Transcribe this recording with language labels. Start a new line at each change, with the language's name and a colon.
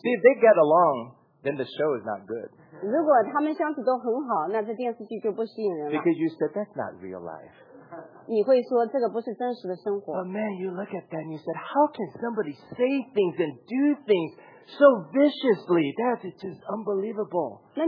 English: If they get along, then the show is not good.
Chinese: 如果他们相处都很好，那这电视剧就不吸引人了。
English: Because you said that's not real life.
Chinese: 你会说这个不是真实的生活。
English: But man, you look at that and you said, how can somebody say things and do things so viciously? That is just unbelievable.